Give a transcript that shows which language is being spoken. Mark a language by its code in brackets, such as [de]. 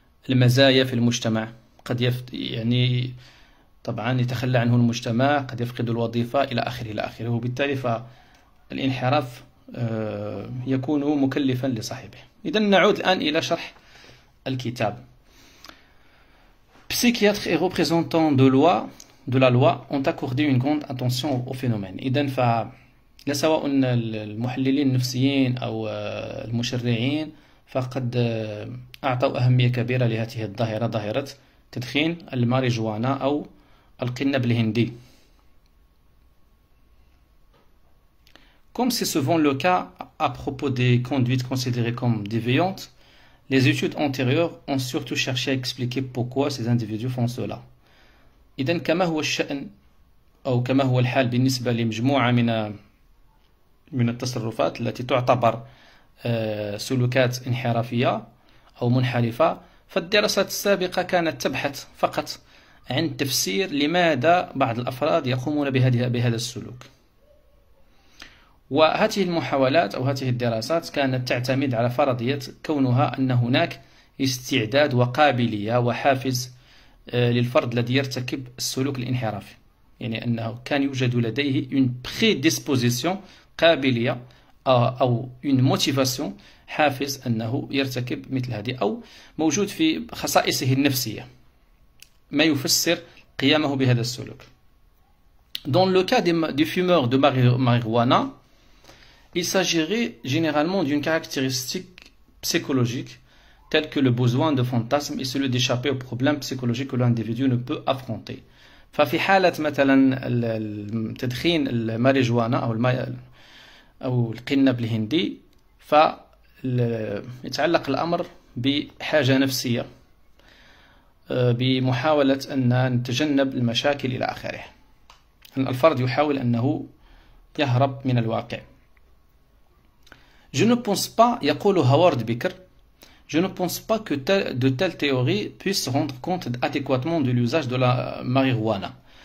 [ar] المزايا في المجتمع، قد يعني طبعا يتخلى عنه المجتمع، قد يفقد الوظيفة إلى آخره إلى آخره، وبالتالي فالانحراف يكون مكلفا لصاحبه. إذا نعود الآن إلى شرح الكتاب. [fr] Psychiatres et représentants de la loi ont accordé une grande attention au phénomène. [ar] إذا فلا سواء المحللين النفسيين أو المشرعين فقد أعطوا أهمية كبيرة لهذه الظاهرة، ظاهرة تدخين الماريجوانا أو القنب الهندي. [fr] Comme c'est souvent le cas à propos des conduites considérées comme déviantes, les études antérieures ont surtout cherché à expliquer pourquoi ces individus font cela. [ar] إذن كما هو الشأن أو كما هو الحال بالنسبة لمجموعة من التصرفات التي تعتبر سلوكات انحرافية أو منحرفة، فالدراسات السابقة كانت تبحث فقط عن تفسير لماذا بعض الأفراد يقومون بهذا السلوك. وهذه المحاولات أو هذه الدراسات كانت تعتمد على فرضية كونها أن هناك استعداد وقابلية وحافز للفرد الذي يرتكب السلوك الانحرافي، يعني أنه كان يوجد لديه [fr] une prédisposition [ar] قابلية أو [fr] une motivation [ar] حافز أنه يرتكب مثل هذه، أو موجود في خصائصه النفسية ما يفسر قيامه بهذا السلوك. [fr] Dans le cas du fumeur de marijuana, il s'agirait généralement d'une caractéristique psychologique telle que le besoin de fantasme et celui d'échapper aux problèmes psychologiques que l'individu ne peut affronter. [ar] ففي حالة مثلا تدخين الماريجوانا أو أو القنب الهندي، فيتعلق الأمر بحاجة نفسية، بمحاولة أن نتجنب المشاكل إلى آخره. الفرد يحاول أنه يهرب من الواقع. [fr] Je ne pense pas, [ar] يقول هوارد بيكر، [fr] je ne pense pas que de telles théories puissent rendre compte adéquatement de l'usage de la marijuana.